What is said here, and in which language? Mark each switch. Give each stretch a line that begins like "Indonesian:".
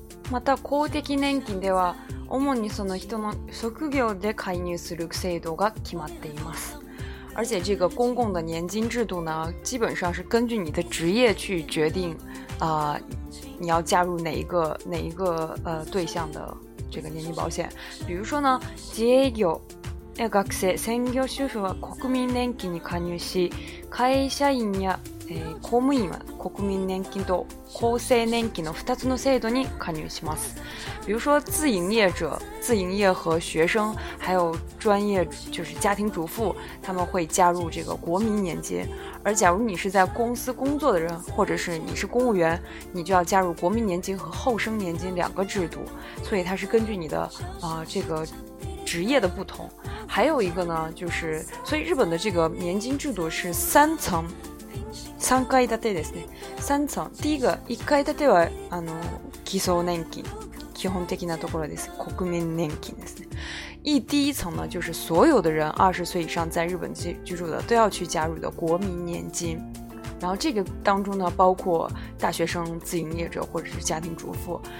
Japanese: また公的年金では主にその人の職業で介入する制度が決まっています。
Chinese: 而且这个公共的年金制度呢，基本上是根据你的职业去决定，你要加入哪一个对象的这个年金保险。比如说呢，
Japanese: 自営業、学生、専業主婦は国民年金に加入し、会社員や公務員は国民年金と厚生年金の2つの制度に加入します。
Chinese: 比如说自营业者、自营业和学生、还有专业就是家庭主妇、他们会加入这个国民年金。而假如你是在公司工作的人、或者是你是公务员、你就要加入国民年金和厚生年金两个制度。所以它是根据你的、这个职业的不同。还有一个呢，就是所以日本的这个年金制度是三层。
Japanese: 三階建てですね。三層。第一が、一階建ては、基礎年金。基本的なところです。国民年金ですね。
Chinese: 第一層呢、就是所有的人、20歳以上在日本居住的、都要去加入的国民年金。然后这个当中呢，包括大学生、自营业者、或者是家庭主妇。